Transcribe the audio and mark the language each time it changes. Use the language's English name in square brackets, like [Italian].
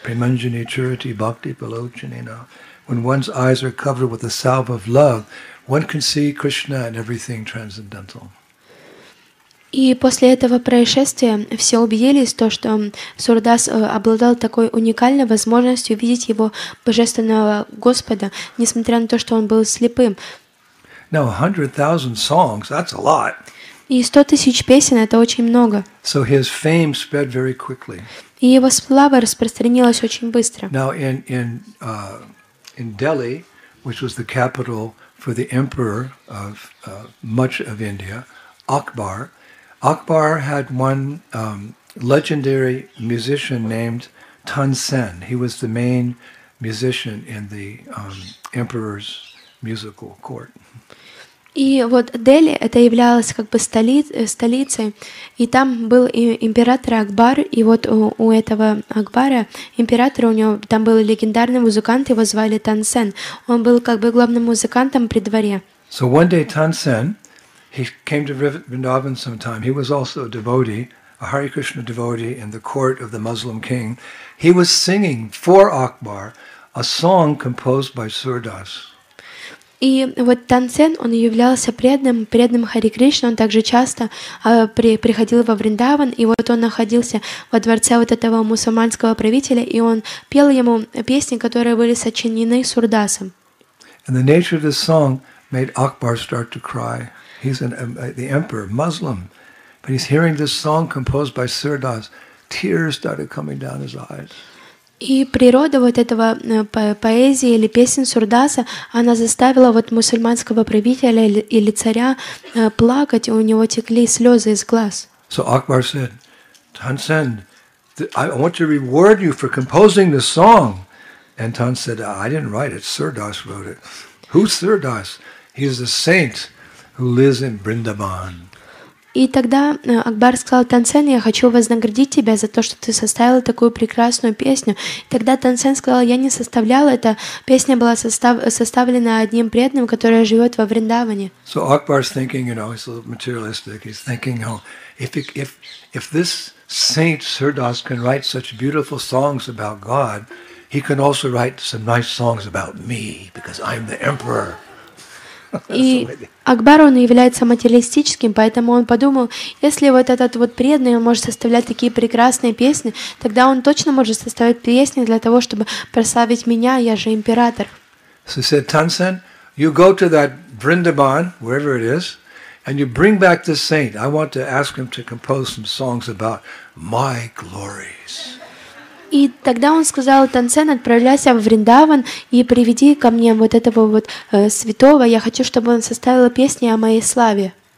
[Sanskrit] Premanjani Charity Bhakti Balochanina. [English] When one's eyes are covered with the salve of love, one can see Krishna and everything transcendental. [Russian] И после этого происшествия все убедились, то, что Сурдас обладал такой уникальной возможностью видеть его Божественного Господа, несмотря на то, что он был слепым. [English] Now, 100,000 songs, that's a lot. [Russian] И 100 тысяч песен – это очень много. [English] So his fame spread very quickly. [Russian] И его слава распространилась очень быстро. [English] Now, in Delhi, which was the capital for the emperor of much of India, Akbar had one legendary musician named Tan Sen. He was the main musician in the emperor's musical court. [Russian] И вот Дели это являлось как бы столицей, и там был император Акбар, и вот у этого Акбара, императора, у него там был легендарный музыкант, его звали Тан Сен. Он был как бы главным музыкантом при дворе. [English] So one day Tan Sen, he came to Vrindavan sometime. He was also a devotee, a Hare Krishna devotee in the court of the Muslim king. He was singing for Akbar a song composed by Сурдас. [Russian] И вот Тан Сен, он являлся преданным Хари Кришна, он также часто приходил во Вриндаван, и вот он находился во дворце вот этого мусульманского правителя, и он пел ему песни, которые были сочинены Сурдасом. [English] And the nature of this song made Akbar start to cry. He's the emperor, Muslim, but he's hearing this song composed by Сурдас. Tears started coming down his eyes. [Russian] И природа вот этого поэзии или песен Сурдаса, она заставила вот мусульманского правителя или царя плакать, и у него текли слезы из глаз. [English] So Akbar said, Tan Sen, I want to reward you for composing this song. And Tan said, I didn't write it, Sirdas wrote it. Who's Sirdas? He's a saint who lives in Brindavan. [Russian] И тогда Акбар сказал, Тансен, я хочу вознаградить тебя за то, что ты составил такую прекрасную песню. И тогда Тансен сказал, я не составлял это. Песня была составлена одним преданным, который живет во Вриндаване. [English] So Akbar's thinking, you know, he's a little materialistic. He's thinking, oh, if this saint Sirdas can write such beautiful songs about God, he can also write some nice songs about me, because I'm the emperor. [Russian] И Акбар, он является материалистическим, поэтому он подумал, если вот этот вот преданный может составлять такие прекрасные песни, тогда он точно может составить песни для того, чтобы прославить меня, я же император. [English] So he said, Tansen, you go to that Vrindavan, wherever it is, and you bring back this saint. I want to ask him to compose some songs about my glories. [Russian] И тогда он сказал, Тансен, отправляйся в Вриндаван и приведи ко мне вот этого вот святого. Я хочу, чтобы он составил песни о моей славе.